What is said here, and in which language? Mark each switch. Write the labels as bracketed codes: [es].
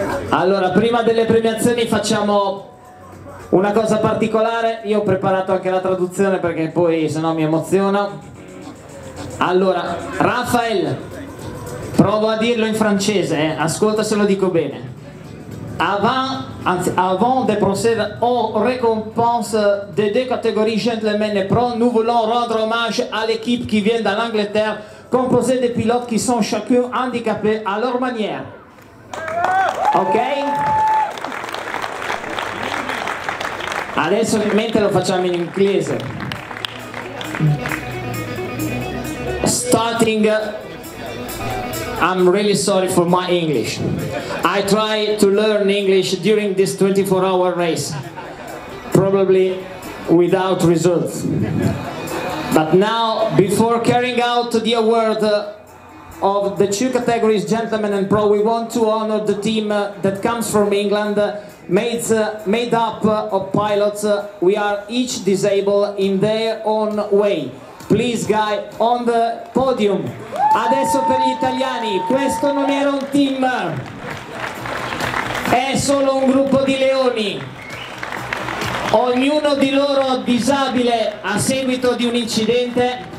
[it] Allora, prima delle premiazioni facciamo una cosa particolare. Io ho preparato anche la traduzione perché poi sennò mi emoziono. Allora, Raphaël, provo a dirlo in francese, ascolta se lo dico bene. [fr] Avant de procéder aux récompenses des deux catégories gentlemen et pro, nous voulons rendre hommage à l'équipe qui vient d'Angleterre, composée de pilotes qui sont chacun handicapés à leur manière. Ok? [it] Adesso ovviamente lo facciamo in inglese. [en] Starting. I'm really sorry for my English. I try to learn English during this 24-hour race, probably without results. But now, before carrying out the award of the two categories, gentlemen and pro, we want to honor the team that comes from England, made up of pilots. We are each disabled in their own way. Please, guy, on the podium. [it] Adesso per gli italiani, questo non era un team, è solo un gruppo di leoni. Ognuno di loro disabile a seguito di un incidente.